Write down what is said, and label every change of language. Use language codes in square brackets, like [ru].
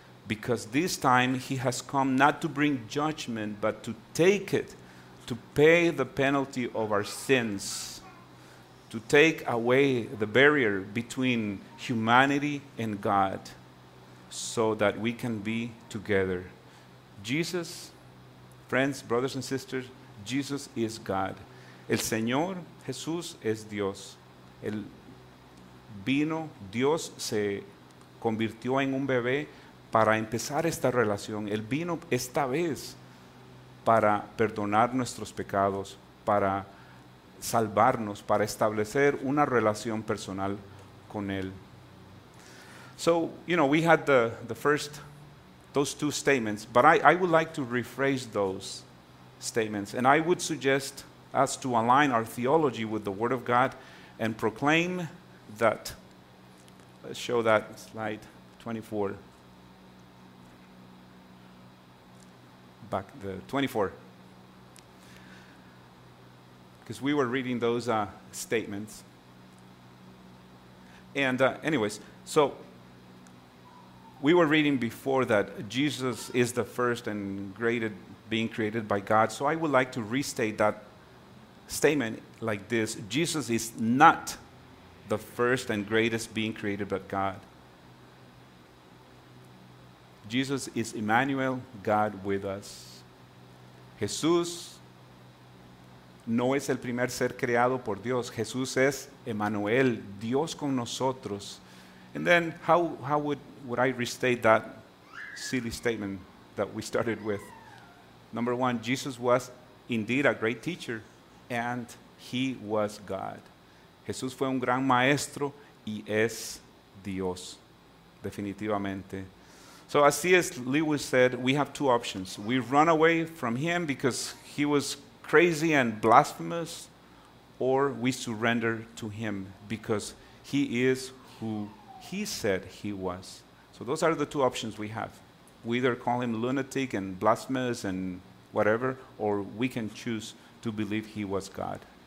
[en] Because this time he has come not to bring judgment, but to take it, to pay the penalty of our sins, to take away the barrier between humanity and God so that we can be together. Jesus, friends, brothers and sisters, Jesus is God. [es] El Señor Jesús es Dios. El vino, Dios se convirtió en un bebé para empezar esta relación. El vino esta vez para perdonar nuestros pecados, para salvarnos, para establecer una relación personal con Él. [en] So, you know, we had the first, those two statements, but I would like to rephrase those statements, and I would suggest us to align our theology with the Word of God and proclaim that, let's show that slide 24. Back the 24. Because we were reading those statements. And anyways, so we were reading before that Jesus is the first and greatest being created by God. So I would like to restate that statement like this. Jesus is not the first and greatest being created by God. Jesus is Emmanuel, God with us. [es] Jesús no es el primer ser creado por Dios. Jesús es Emmanuel, Dios con nosotros. [en] And then how would I restate that silly statement that we started with? Number one, Jesus was indeed a great teacher. and he was God. [es] Jesús fue un gran maestro y es Dios, definitivamente. [en] So as C.S. Lewis said, we have two options. We run away from him because he was crazy and blasphemous, or we surrender to him because he is who he said he was. So those are the two options we have. We either call him lunatic and blasphemous and whatever, or we can choose to believe he was God.